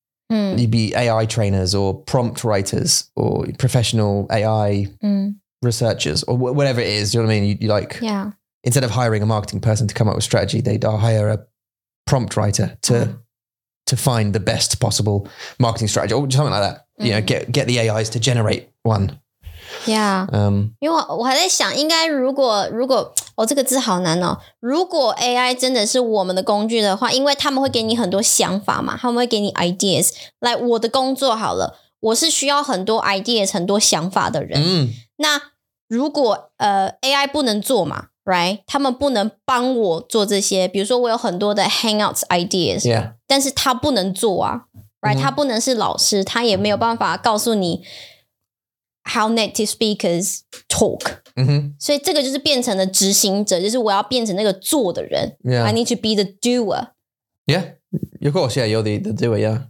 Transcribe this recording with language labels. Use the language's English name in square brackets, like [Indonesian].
[English] You'd be AI trainers or prompt writers or professional AI researchers or whatever it is. Do you know what I mean? You like, instead of hiring a marketing person to come up with strategy, they'd hire a prompt writer to find the best possible marketing strategy or something like that. You know, get the AIs to generate one. Yeah. [Chinese] 因为我还在想应该如果哦，这个字好难哦。如果 AI 真的是我们的工具的话，因为他们会给你很多想法嘛，他们会给你 ideas。来，我的工作好了，我是需要很多 ideas、很多想法的人。那如果AI 不能做嘛 ，right？他们不能帮我做这些。比如说，我有很多的 hangouts ideas， [English] yeah， [Chinese] 但是他不能做啊 ，right？ 他不能是老师，他也没有办法告诉你 [English] how native speakers talk. [Chinese] 所以这个就是变成了执行者，就是我要变成那个做的人。 [English] Yeah. I need to be the doer. Yeah, of course, yeah, you're the doer, yeah.